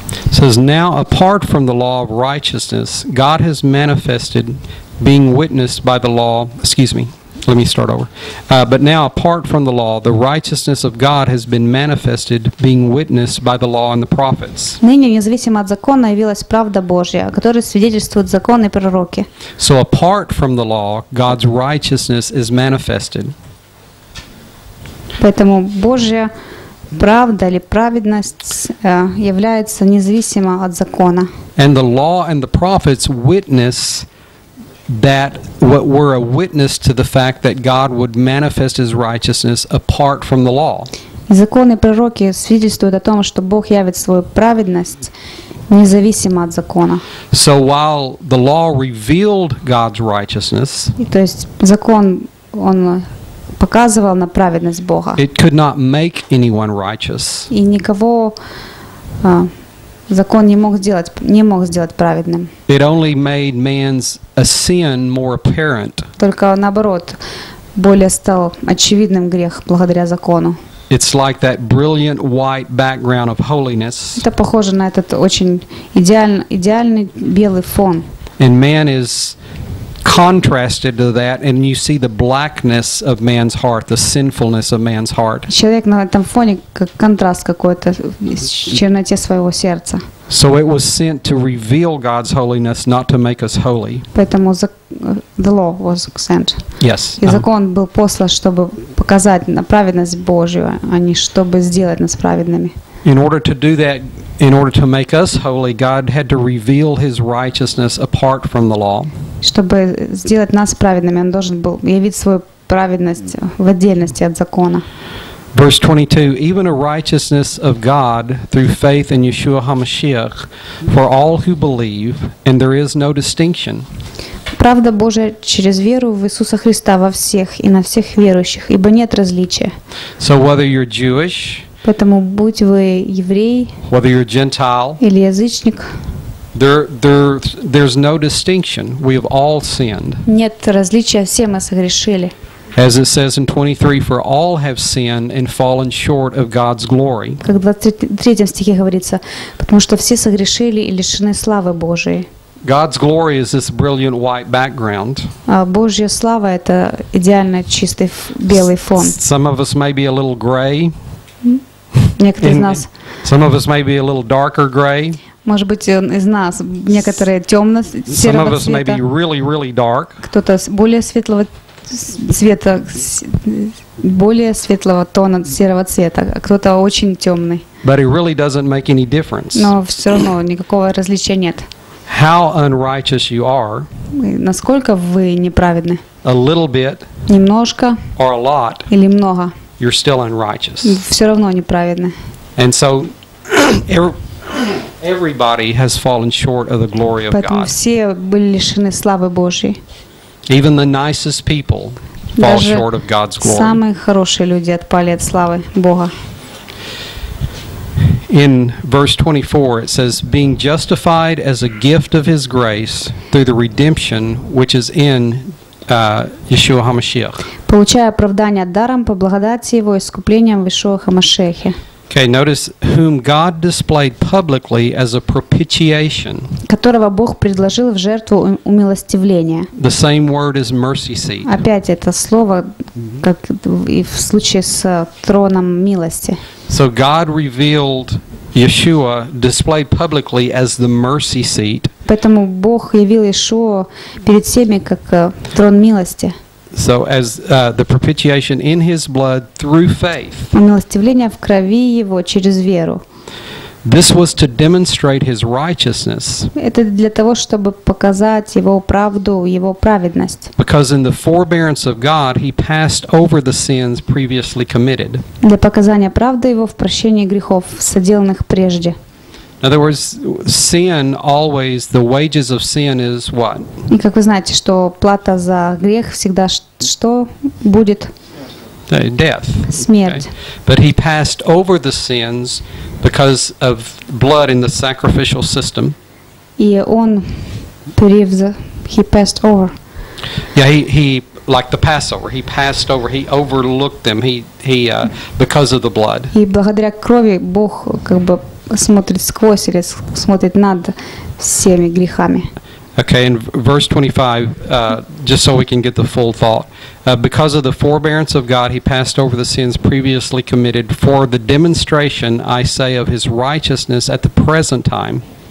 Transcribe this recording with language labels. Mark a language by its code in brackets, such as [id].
[en] Says now apart from the law of righteousness God has manifested being witnessed by the law, excuse me. Let me start over. But now, apart from the law, the righteousness of God has been manifested, being witnessed by the law and the prophets. [ru] Ныне, независимо от закона, явилась правда Божья, которая свидетельствует закон и пророки. [en] So apart from the law, God's righteousness is manifested. [ru] Поэтому Божья правда или праведность является независимо от закона. [en] And the law and the prophets witness that what were a witness to the fact that God would manifest his righteousness apart from the law. [ru] Законы и пророки свидетельствуют о том, что Бог явит свою праведность независимо от закона. [en] So while the law revealed God's righteousness, [ru] то есть закон он показывал на праведность Бога. [en] It could not make anyone righteous. [ru] И никого закон не мог сделать праведным. [en] It only made man's a sin more apparent. [ru] Только наоборот, более стал очевидным грех благодаря закону. [en] It's like that brilliant white background of holiness. [ru] Это похоже на этот очень идеальный белый фон. [en] And man is contrasted to that, and you see the blackness of man's heart, the sinfulness of man's heart. [ru] Человек на этом фоне как контраст какой-то с черноте своего сердца. [en] So it was sent to reveal God's holiness, not to make us holy. [ru] Поэтому [en] the law was sent. Yes. [ru] И закон был послан, чтобы показать на праведность Божью, а не чтобы сделать нас праведными. [en] In order to do that, in order to make us holy, God had to reveal his righteousness apart from the law. [ru] Чтобы сделать нас праведными, он должен был явить свою праведность в отдельности от закона. [en] Verse 22, even a righteousness of God through faith in Yeshua HaMashiach for all who believe, and there is no distinction. [ru] Правда Божия через веру в Иисуса Христа во всех и на всех верующих, ибо нет различия. [en] So whether you're Jewish, [ru] поэтому будь вы еврей, [en] whether you're Gentile, [ru] или язычник, [en] there's no distinction. We have all sinned. [ru] Нет различия, все мы согрешили. [en] As it says in 23, for all have sinned and fallen short of God's glory. [ru] Как в 23 стихе говорится, потому что все согрешили и лишены славы Божией. [en] God's glory is this brilliant white background. [ru] Божья слава — это идеально чистый белый фон. [en] Some of us may be a little gray. [ru] Некоторые из нас. [en] Some of us may be a little darker gray. [ru] Может быть, из нас некоторые темно-серого цвета. [en] Some of us may be really, really dark. [ru] Кто-то более светлого цвета, более светлого тона серого цвета, а кто-то очень темный. [en] But it really doesn't make any difference. [ru] Но все равно никакого различия нет. [en] How unrighteous you are. [ru] Насколько вы неправедны. [en] A little bit. [ru] Немножко. [en] Or a lot. [ru] Или много. [en] You're still unrighteous. [ru] Все равно неправедны. [en] And so, Everybody has fallen short of the glory of God. [ru] Поэтому все были лишены славы Божьей. [en] Even the nicest people fall short of God's glory. [ru] Даже самые хорошие люди отпали от славы Бога. [en] In verse 24 it says, being justified as a gift of his grace through the redemption which is in Yeshua HaMashiach. [ru] Получая оправдание даром по благодати его искуплением в Иешуа ха-Машехе. [en] Okay, notice whom God displayed publicly as a propitiation. [ru] Которого Бог предложил в жертву умилостивления. [en] The same word as mercy seat. [ru] Опять это слово, как и в случае с троном милости. [en] So God revealed Yeshua displayed publicly as the mercy seat. [ru] Поэтому Бог явил Иешуа перед всеми как трон милости. [en] So as the propitiation in his blood through faith. [ru] Умилостивление в крови его через веру. [en] This was to demonstrate his righteousness. [ru] Это для того, чтобы показать его правду, его праведность. [en] Because in the forbearance of God, he passed over the sins previously committed. [ru] Для показания правды его в прощении грехов, соделанных прежде. [en] In other words, sin always, the wages of sin is what? [ru] И как вы знаете, что плата за грех всегда что будет? [en] Death. [ru] Смерть. Okay. [en] But he passed over the sins because of blood in the sacrificial system. [ru] И он [en] he passed over. Yeah, he like the Passover, he passed over, he overlooked them. He because of the blood. [ru] И благодаря крови Бог как бы смотрит сквозь или смотрит над всеми грехами. [en] Okay, in verse 25, just so we can get the full thought. Because of the forbearance of God, he passed over the sins previously committed for the demonstration, I say, of his righteousness at the present time.